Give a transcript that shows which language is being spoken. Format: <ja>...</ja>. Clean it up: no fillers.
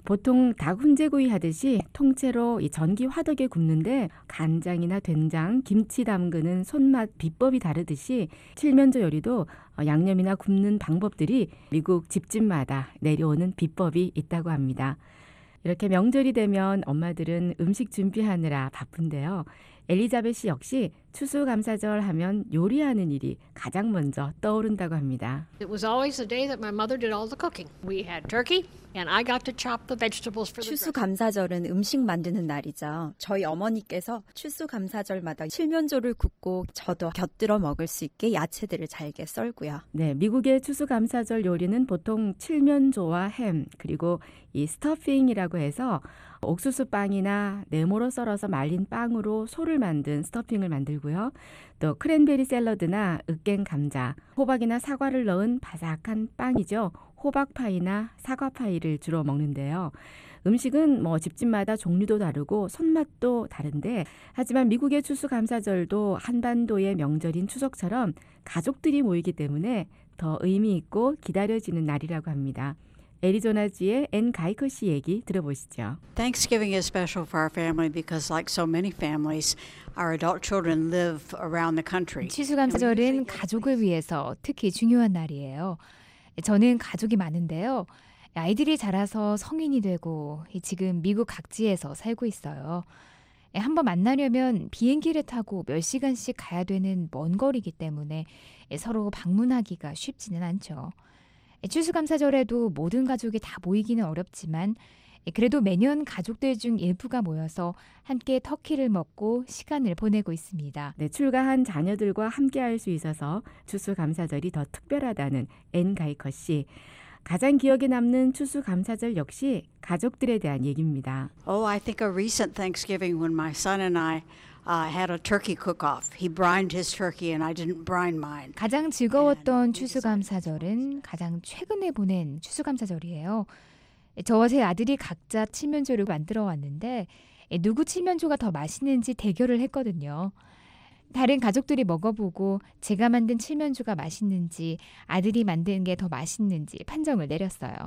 <ko>보통 닭 훈제구이 하듯이 통째로 이 전기 화덕에 굽는데 간장이나 된장, 김치 담그는 손맛 비법이 다르듯이 칠면조 요리도 양념이나 굽는 방법들이 미국 집집마다 내려오는 비법이 있다고 합니다. 이렇게 명절이 되면 엄마들은 음식 준비하느라 바쁜데요. 엘리자벳 씨 역시 추수감사절 하면 요리하는 일이 가장 먼저 떠오른다고 합니다.</ko> <en>It was always the day that my mother did all the cooking. We had turkey and I got to chop the vegetables for the</en> <ko>추수감사절은 음식 만드는 날이죠. 저희 어머니께서 추수감사절마다 칠면조를 굽고 저도 곁들여 먹을 수 있게 야채들을 잘게 썰고요. 네, 미국의 추수감사절 요리는 보통 칠면조와 햄 그리고 이 스터핑이라고 해서 옥수수 빵이나 네모로 썰어서 말린 빵으로 소를 만든 스터핑을 만들고요. 또 크랜베리 샐러드나 으깬 감자, 호박이나 사과를 넣은 바삭한 빵이죠. 호박파이나 사과파이를 주로 먹는데요. 음식은 뭐 집집마다 종류도 다르고 손맛도 다른데 하지만 미국의 추수감사절도 한반도의 명절인 추석처럼 가족들이 모이기 때문에 더 의미 있고 기다려지는 날이라고 합니다. 애리조나주의 앤 가이커 씨 얘기 들어보시죠.</ko> <en>Thanksgiving is special for our family because like so many families, our adult children live around the country.</en> <ko>추수감사절은 가족을 위해서 특히 중요한 날이에요. 저는 가족이 많은데요. 아이들이 자라서 성인이 되고 지금 미국 각지에서 살고 있어요. 한번 만나려면 비행기를 타고 몇 시간씩 가야 되는 먼 거리이기 때문에 서로 방문하기가 쉽지는 않죠. 추수감사절에도 모든 가족이 다 모이기는 어렵지만 그래도 매년 가족들 중 일부가 모여서 함께 터키를 먹고 시간을 보내고 있습니다. 네, 출가한 자녀들과 함께할 수 있어서 추수감사절이 더 특별하다는 앤 가이커 씨. 가장 기억에 남는 추수감사절 역시 가족들에 대한 얘기입니다.</ko> <en>Oh, I think a recent Thanksgiving when my son and I had a turkey cook-off. He brined his turkey and I didn't brine mine.</en> <ko>가장 즐거웠던 추수감사절은 가장 최근에 보낸 추수감사절이에요. 저와 제 아들이 각자 칠면조를 만들어 왔는데 누구 칠면조가 더 맛있는지 대결을 했거든요. 다른 가족들이 먹어보고 제가 만든 칠면조가 맛있는지 아들이 만든 게 더 맛있는지 판정을 내렸어요.</ko>